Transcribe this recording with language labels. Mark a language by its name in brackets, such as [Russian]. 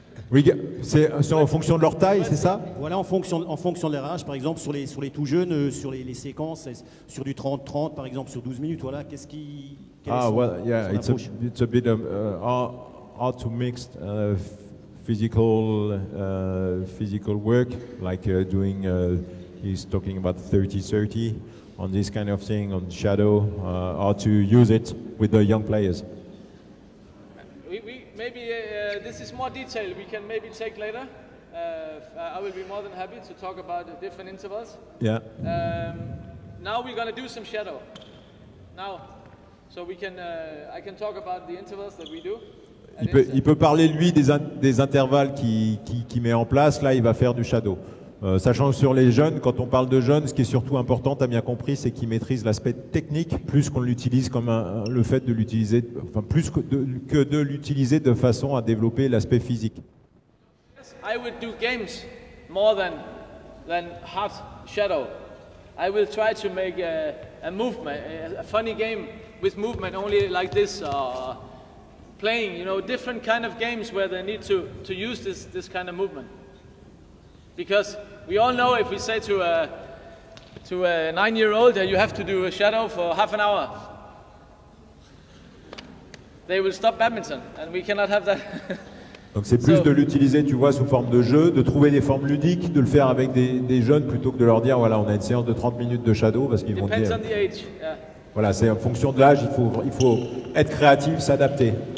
[French] Oui, c'est en fonction de leur taille, c'est ça? Voilà, en fonction de leur âge, par exemple, sur les tout jeunes, sur les séquences, sur du 30-30, par exemple, sur 12 minutes, voilà, qu'est-ce qui... [English] It's a bit hard to mix physical work, like doing, he's talking about 30-30. On this kind of thing, on shadow, or to use it with the young players. Maybe this is more detail we can maybe take later. I will be more than happy to talk about the different intervals. Yeah. Now we're gonna do some shadow. Now, so we can, I can talk about the intervals that we do. [French] Il peut parler lui des intervalles qui met en place. Là, il va faire du shadow. Sachant que sur les jeunes, quand on parle de jeunes, ce qui est surtout important, tu as bien compris, c'est qu'ils maîtrisent l'aspect technique plus qu'on l'utilise comme le fait de l'utiliser, enfin plus que de l'utiliser de façon à développer l'aspect physique. [English] I would do games more than hard shadow. I will try to make a movement, a funny game with movement only like this, playing, you know, different kind of games where they need to use this kind of movement. Because we all know if we say to a 9-year-old that you have to do a shadow for half an hour, they will stop badminton, and we cannot have that. [French] Donc c'est plus de l'utiliser, tu vois, sous forme de jeu, de trouver des formes ludiques, de le faire avec des jeunes plutôt que de leur dire voilà, on a une séance de 30 minutes de shadow parce qu'ils vont dire. [English] Depends on the age. Yeah. [French] Voilà, c'est en fonction de l'âge, il faut être créatif, s'adapter.